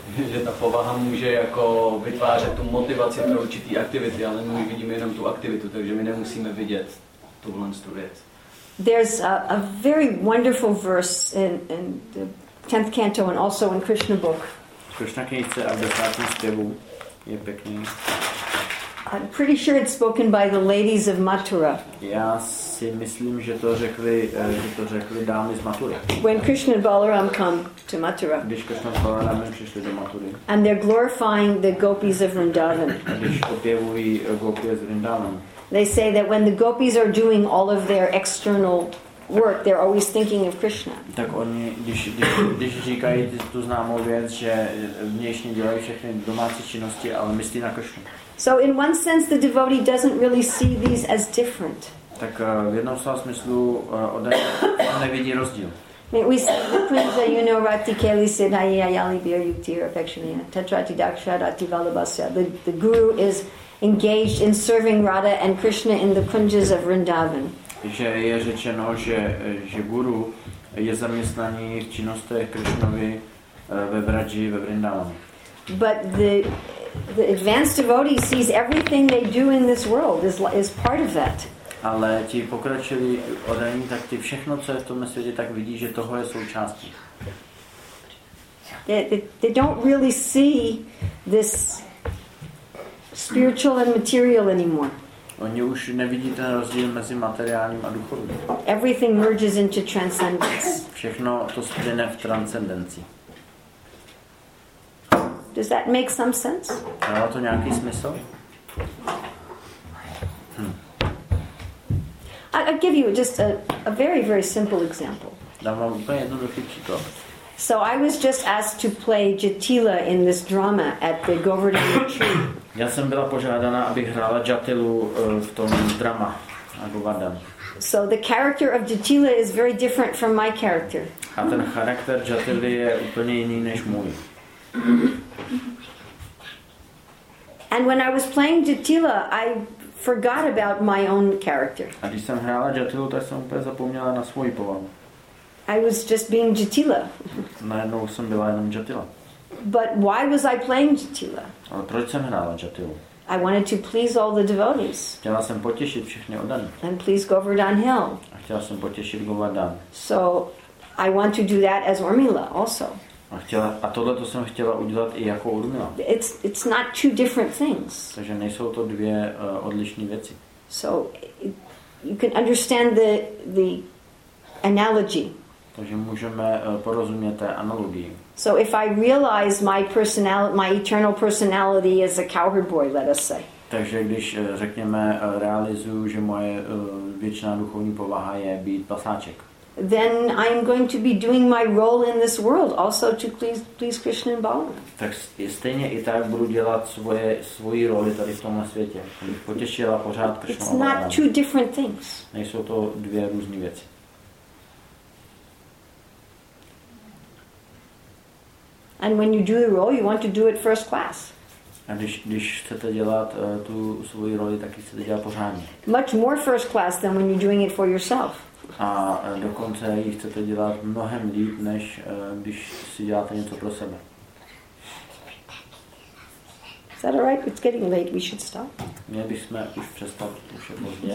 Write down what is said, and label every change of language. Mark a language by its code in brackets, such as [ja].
[cs] že ta povaha může jako vytvářet tu motivaci pro určitý aktivity, ale my vidíme jenom tu aktivitu, takže my nemusíme vidět tuhle věc. [en] There's a very wonderful verse in the 10th canto and also in Krishna book. [cs] Krishna knihce a v 10. zpěvu je pěkný. [en] I'm pretty sure it's spoken by the ladies of Mathura. [cs] Já si myslím, že to řekli dámy z Mathury. [en] When Krishna and Balaram come to Mathura. [cs] Když Krishna a Balaram přišli do Mathury. [en] And they're glorifying the gopis of Vrindavan. [cs] Když opěvují gopi z Vrindavan. [en] They say that when the gopis are doing all of their external work, they're always thinking of Krishna. [cs] Tak oni, když říkají tu známou věc, že vnějšně dělají všechny domácí činnosti, ale myslí na Krishnu. [en] So in one sense the devotee doesn't really see these as different. [cs] Tak v jednom smyslu nevidí rozdíl. We say the prince, you know, Rati Keli Siddhaya Yali Bir Yuktir Affectionia Tatrati Daksha Rati Valabhasya. [en] The guru is engaged in serving Radha and Krishna in the kunjas of Vrindavan. [cs] Že je řečeno, že guru je zaměstnaný v činnostech Krishnovi ve Vraji, ve Vrindavanu. [en] But the advanced devotee sees everything they do in this world is part of that. [cs] ale ti pokročilí oddělení, tak ty všechno, co je v tomhle světě, tak vidí, že toho je součástí. [en] They don't really see this spiritual and material anymore. [cs] Oni už nevidí ten rozdíl mezi materiálním a duchovním. [en] Everything merges into transcendence. [cs] Všechno to splyne v transcendenci. [en] Does that make some sense? [cs] Dává to nějaký smysl? [en] I'll give you just a very, very simple example. [cs] Dám vám úplně jednoduchý příklad. [en] So I was just asked to play Jatila in this drama at the Govardhan Retreat. [cs] Já jsem byla požádána, abych hrála Jatilu v tom drama na Govardhan. [en] So the character of Jatila is very different from my character. [cs] A ten charakter Jatily je úplně jiný než můj. [en] And when I was playing Jatila, I forgot about my own character. [cs] A když jsem hrála Jatilu, tak jsem úplně zapomněla na svoji povahu. [en] I was just being Jatila. [cs] Najednou jsem byla jenom Jatila. [en] But why was I playing Jatila? [cs] Ale proč jsem hrála Jatilu? [en] I wanted to please all the devotees. [cs] Chtěla jsem potěšit všechny oddané. [en] And please Govardhan Hill. [cs] A chtěla jsem potěšit Govardhan. [en] So I want to do that as Urmila also. [cs] A chtěla, a tohle to jsem chtěla udělat i jako Urmila. [en] It's not two different things. [cs] Takže nejsou to dvě odlišné věci. [en] So you can understand the analogy. [cs] Takže můžeme porozumět té analogii. [en] So if I realize my eternal personality is a cowherd boy, let us say. [cs] Takže když řekněme realizuju, že moje věčná duchovní povaha je být pasáček. [en] Then I am going to be doing my role in this world also to please Krishna and Balaram. [cs] Tak stejně i tak budu dělat svoji roli tady v tomhle světě. Abych potěšila pořád Krishnu [en] a Balaram. It's not two different things. [cs] Nejsou to dvě různé věci. [en] And when you do the role, you want to do it first class. [cs] A když chcete dělat tu svoji roli, tak chcete dělat pořádně. [en] Much more first class than when you're doing it for yourself. [cs] A dokonce ji chcete dělat mnohem líp, než když si děláte něco pro sebe. [en] Is that all right? It's getting late. We should stop. [cs] Měli bychom už přestat, už je pozdě.